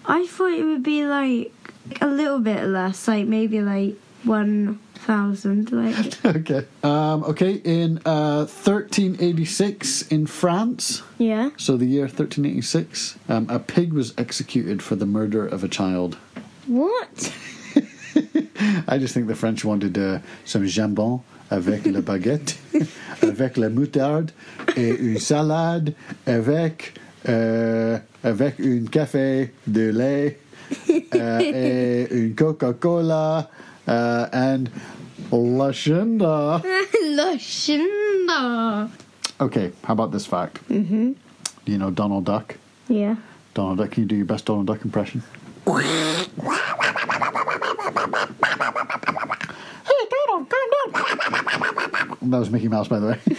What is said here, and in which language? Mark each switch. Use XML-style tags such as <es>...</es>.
<en>I thought it would be like a little bit less, like maybe like 1,000, like. Okay. Okay. In 1386 in France. Yeah. So the year 1386, a pig was executed for the murder of a child. What? I just think the French wanted some</en> <fr>jambon avec la baguette, avec la moutarde, et une salade avec. Avec un café de lait, et une Coca-Cola, and La Chinda. La Chinda.</fr> <en>Okay, how about this fact? Mm-hmm. You know Donald Duck? Yeah. Donald Duck, can you do your best Donald Duck impression? Hey, Donald, calm down. That was Mickey Mouse, by the way.</en>